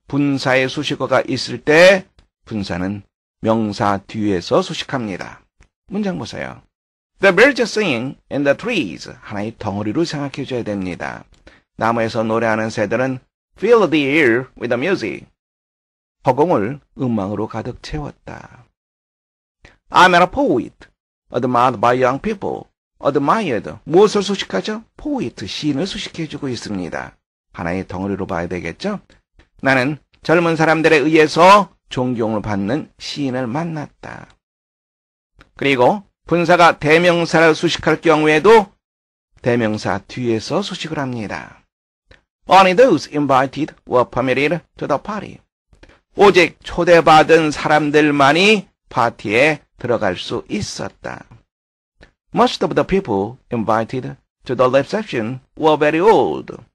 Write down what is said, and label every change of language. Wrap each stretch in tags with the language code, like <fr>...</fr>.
<ko>분사의 수식어가 있을 때 분사는 명사 뒤에서 수식합니다. 문장 보세요.</ko> <en>The birds are singing in the trees.</en> <ko>하나의 덩어리로 생각해 줘야 됩니다. 나무에서 노래하는 새들은</ko> <en>fill the air with the music.</en> <ko>허공을 음악으로 가득 채웠다.</ko> <en>I'm a poet, admired by young people, admired.</en> <ko>무엇을 수식하죠? poet, 시인을 수식해 주고 있습니다. 하나의 덩어리로 봐야 되겠죠? 나는 젊은 사람들에 의해서 존경을 받는 시인을 만났다. 그리고 분사가 대명사를 수식할 경우에도 대명사 뒤에서 수식을 합니다.</ko> <en>Only those invited were permitted to the party.</en> <ko>오직 초대받은 사람들만이 파티에 들어갈 수 있었다.</ko> <en>Most of the people invited to the reception were very old.</en>